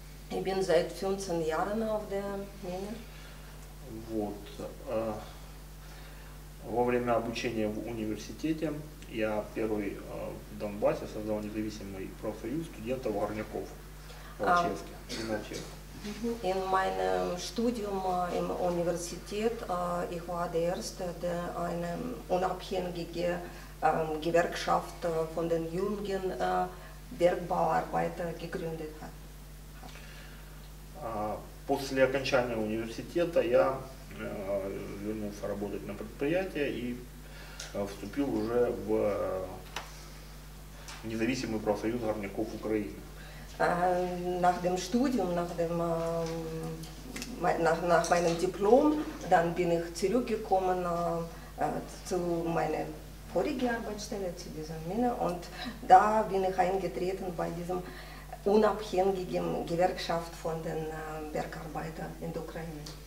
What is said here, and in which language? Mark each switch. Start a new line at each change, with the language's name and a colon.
German: Ich bin seit 15 Jahren auf der Mine.
Russian: Вот. Во время обучения в университете я первый в Донбассе создал независимый профсоюз студентов горняков Волчевске.
German: In meinem Studium im Universität, ich war der erste, der eine unabhängige Gewerkschaft von den jungen Bergbauarbeiter gegründet hat.
Russian: После окончания университета я вернулся работать на предприятие и вступил уже в независимый профсоюз горняков Украины.
German: Nach dem Studium, nach meinem Diplom, dann bin ich zurückgekommen zu meiner vorigen Arbeitsstelle, zu dieser Mine, und da bin ich eingetreten bei diesem unabhängigen Gewerkschaft von den Bergarbeitern in der Ukraine.